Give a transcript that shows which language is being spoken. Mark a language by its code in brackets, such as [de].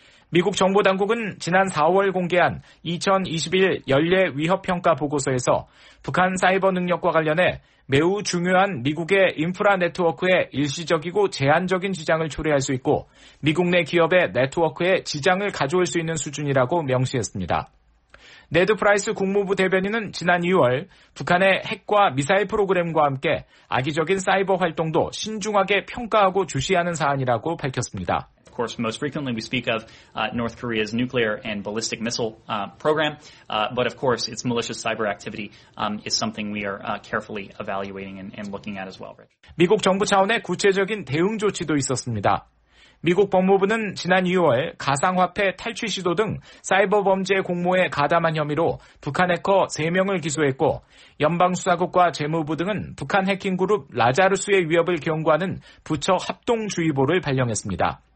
[ko] 미국 정보당국은 지난 4월 공개한 2021 연례 위협평가 보고서에서 북한 사이버 능력과 관련해 매우 중요한 미국의 인프라 네트워크에 일시적이고 제한적인 지장을 초래할 수 있고 미국 내 기업의 네트워크에 지장을 가져올 수 있는 수준이라고 명시했습니다. 네드 프라이스 국무부 대변인은 지난 2월 북한의 핵과 미사일 프로그램과 함께 악의적인 사이버 활동도 신중하게 평가하고 주시하는 사안이라고 밝혔습니다. [en] Of course, most frequently we speak of North Korea's nuclear and ballistic missile program, but of course its malicious cyber activity is something we are carefully evaluating and looking at as well. [ko] 미국 정부 차원의 구체적인 대응 조치도 있었습니다. 미국 법무부는 지난 2월 가상화폐 탈취 시도 등 사이버 범죄 공모에 가담한 혐의로 북한 해커 3명을 기소했고 연방수사국과 재무부 등은 북한 해킹 그룹 라자르스의 위협을 경고하는 부처 합동주의보를 발령했습니다.